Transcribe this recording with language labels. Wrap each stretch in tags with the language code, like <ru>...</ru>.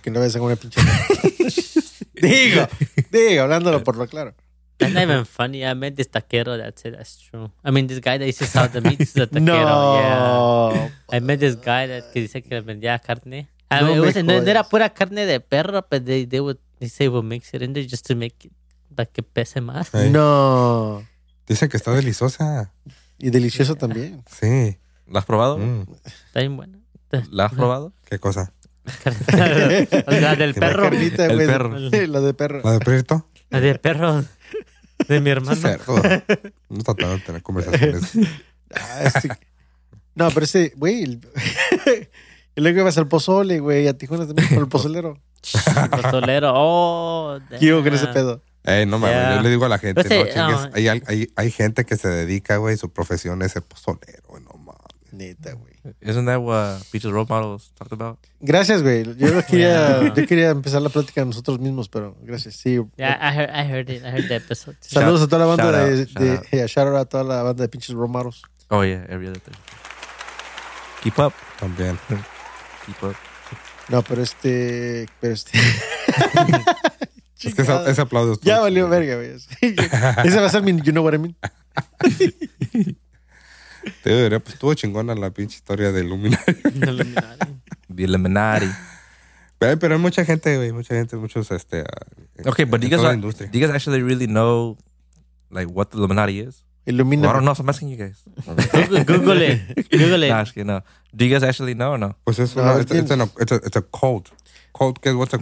<es>Que no vayas a comer pinche. Digo, hablándolo por lo claro.</es> <en>That's not even funny. I met this taquero that said that's true. I mean, this guy that used to sell the meat to the taquero.</en> <es>No.</es> <en>Yeah. I met this guy that</en> <es>que dice que vendía carne.</es> <en>I mean, it wasn't,</en> <es>no era pura carne de perro,</es> <en>but they would mix it in there just to make it, like,</en> <es>que pese más. Hey. No. Dicen que está deliciosa. Y deliciosa yeah. también. Sí. ¿La has probado? Mm. Está bien buena. ¿La has probado? ¿Qué cosa? La del perro. La de perro. La de perro. ¿La de perrito? La de perro. De mi hermano. Sí, no está tan tener conversaciones. No, pero ese, güey. Y luego ibas al pozole, güey. A Tijuana también con el pozolero. El pozolero. Oh. ¿Qué hubo con ese pedo? No mames. Yeah. Yo le digo a la gente, pero ¿no? Sí, chingues, no. Hay gente que se dedica, güey, su profesión es el pozolero, güey. No mames. Neta, güey.</es> <en>Isn't that what Peaches Role Models talked about?</en> <es>Gracias, güey. Yo quería, yeah. Yo quería empezar la plática nosotros mismos, pero gracias. Sí.</es> <en>Yeah, I heard it. I heard the episode.</en> <es>Saludos a toda la banda</es> <en>shout out</en> <es>a toda la banda de Peaches Role Models.</es> <en>Oh, yeah. Every other thing. Keep up.</en> <es>También.</es> <en>Keep up.</en> <es>No, pero este... Es que ese aplauso. Ya valió verga, güey. Ese va a ser mi</es> <en>you know what I mean.</en> <es>Te diría, pues estuvo chingona la pinche historia de Illuminati. De Illuminati. Pero hay mucha gente, güey. Mucha gente, muchos,</es> <en>okay, but do you guys actually really know, like, what the Illuminati is? Illuminati. Well, I don't know, so I'm asking you guys. Google it. Google it. No, actually, no. Do you guys actually know or no?</en> <es>Pues es una,</es> <en>it's a cult. Cold, what's a cold?</en>